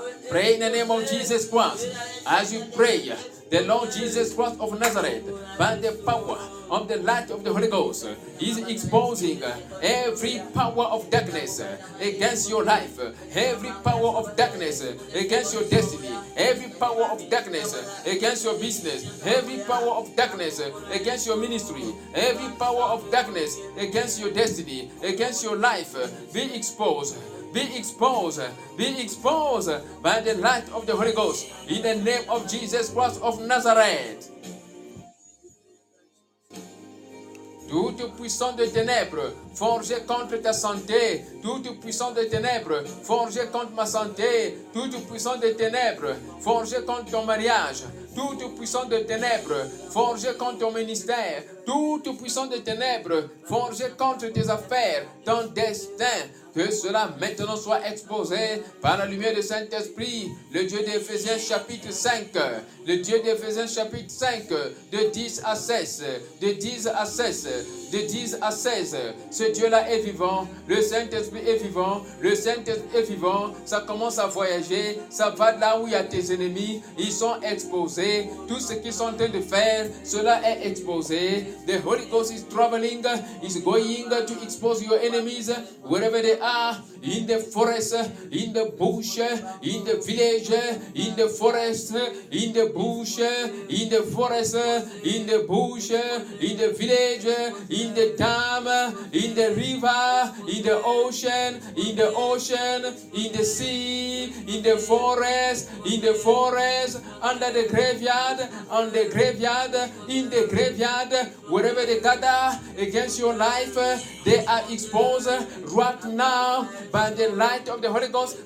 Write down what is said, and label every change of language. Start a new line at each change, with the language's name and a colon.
English: Pray in the name of Jesus Christ. As you pray, the Lord Jesus Christ of Nazareth, by the power of the light of the Holy Ghost, is exposing every power of darkness against your life, every power of darkness against your destiny, every power of darkness against your business, every power of darkness against your ministry, every power of darkness against your destiny, against your life. Be exposed. Be exposed, be exposed by the light of the Holy Ghost in the name of Jesus Christ of Nazareth.
French: Toute puissance de ténèbres forgée contre ta santé, toute puissance de ténèbres forgée contre ma santé, toute puissance de ténèbres forgée contre ton mariage, toute puissance de ténèbres forgée contre ton ministère, toute puissance de ténèbres forgée contre tes affaires, ton destin. Que cela maintenant soit exposé par la lumière du Saint-Esprit, le Dieu d'Éphésiens chapitre 5, le Dieu d'Éphésiens chapitre 5, de 10 à 16, de 10 à 16, de 10 à 16. Ce Dieu-là est vivant, le Saint-Esprit est vivant, le Saint-Esprit est vivant, ça commence à voyager, ça va de là où il y a tes ennemis, ils sont exposés, tout ce qu'ils sont en train de faire, cela est exposé.
English: The Holy Ghost is traveling, is going to expose your enemies, wherever they are, in the forest, in the bush, in the village, in the forest, in the bush, in the forest, in the bush, in the village, in the dam, in the river, in the ocean, in the ocean, in the sea, in the forest, under the graveyard, on the graveyard, in the graveyard, wherever they gather against your life, they are exposed right now by the light of the Holy Ghost.